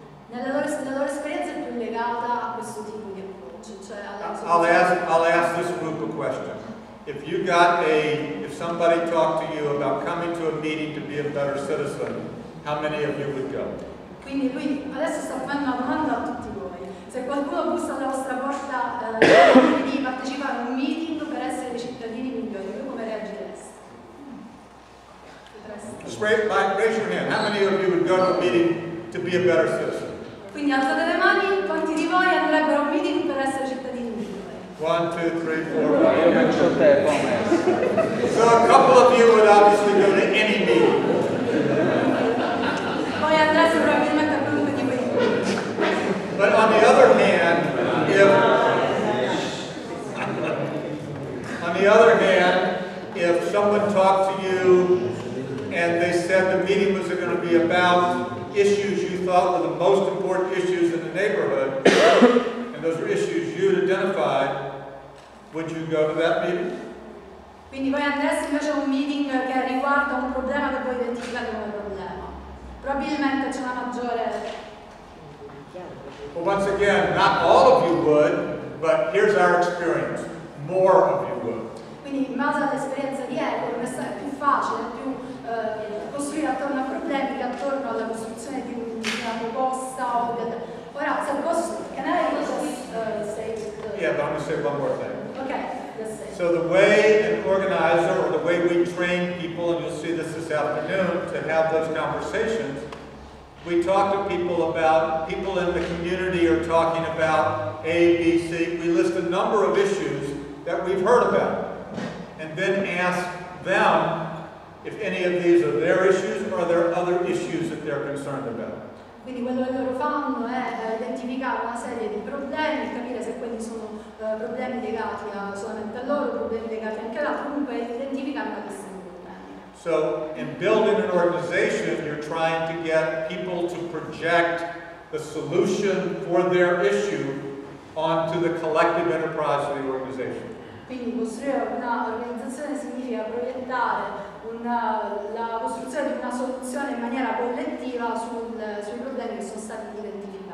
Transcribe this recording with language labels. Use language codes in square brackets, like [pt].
[it] nella loro esperienza è più legata a questo tipo di approccio, cioè [en] I'll ask this group a question. If you got a if somebody talked to you about coming to a meeting to be a better citizen, how many of you would go? [it] Quindi lui adesso sta facendo una domanda a tutti voi. Se qualcuno bussa alla vostra porta di partecipare a un meeting per essere dei cittadini migliori, voi come reagireste? [en] Raise your hand. How many of you would go to a meeting to be a better citizen? [it] Quindi alzate le mani, quanti di voi andrebbero a un meeting per essere cittadini migliori? 1, 2, 3, 4, no, io non c'ho tempo. [en] So a couple of you would obviously go to any meeting. But on the other hand, if someone talked to you and they said the meeting was going to be about issues you thought were the most important issues in the neighborhood, and those were issues you'd identified, would you go to that meeting? [it] Quindi voi andreste invece a un meeting che riguarda un problema che voi identificate come problema. Probabilmente c'è una maggiore. [en] Well, once again, not all of you would, but here's our experience. More of you would. [it] Quindi in base all'esperienza di ECORN è più facile, più costruire attorno a problemi che attorno alla costruzione di una proposta. Ora, se posso, [en] can I just say? Yeah, but I'm going to say one more thing. Okay, let's say. So the way an organizer, or the way we train people, and you'll see this afternoon, to have those conversations, we talk to people about, people in the community are talking about A, B, C. We list a number of issues that we've heard about. And then ask them if any of these are their issues or are there other issues that they're concerned about. [it] Quindi quello che loro fanno è identificare una serie di problemi, capire se quelli sono problemi legati solamente a loro, problemi legati anche ad altro, comunque identificare una questione. [en] So, in building an organization, you're trying to get people to project the solution for their issue onto the collective enterprise of the organization. [it] Quindi costruire una organizzazione significa proiettare la costruzione di una soluzione in maniera collettiva sui problemi che sono stati identificati.